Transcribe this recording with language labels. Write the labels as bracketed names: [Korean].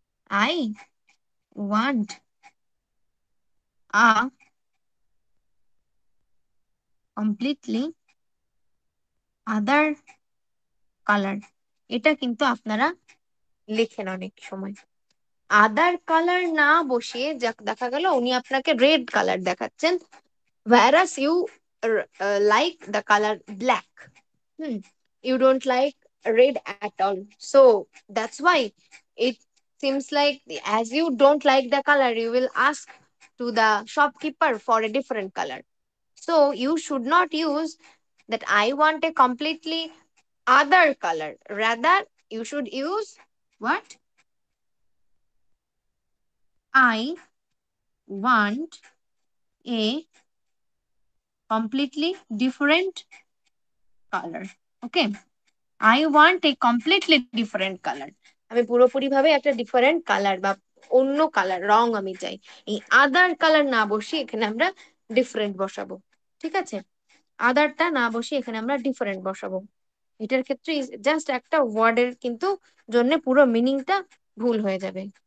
[English] I want a completely other colour [Bangla] এটা কিন্তু আপনারা লেখেন অনেক সময় আদার কালার না বসিয়ে যা দেখা গেল উনি আপনাকে রেড কালার দেখাচ্ছেন [English] Whereas you like the colour black you don't like red at all so that's why it seems like as you don't like the colour you will ask to the shopkeeper for a different color. So you should not use that I want a completely other color. Rather, you should use what? I want a completely different color. Okay. I want a completely different color. [Bangla] আমি পুরোপুরি ভাবে একটা different colour বা অন্য colour রং আমি চাই এই আদার colour না বসিয়ে এখানে আমরা ডিফারেন্ট বসাবো ঠিক আছে আদারটা না বসিয়ে এখানে আমরা ডিফারেন্ট বসাবো এটার ক্ষেত্রে জাস্ট একটা ওয়ার্ডের কিন্তু জন্য পুরো মিনিংটা ভুল হয়ে যাবে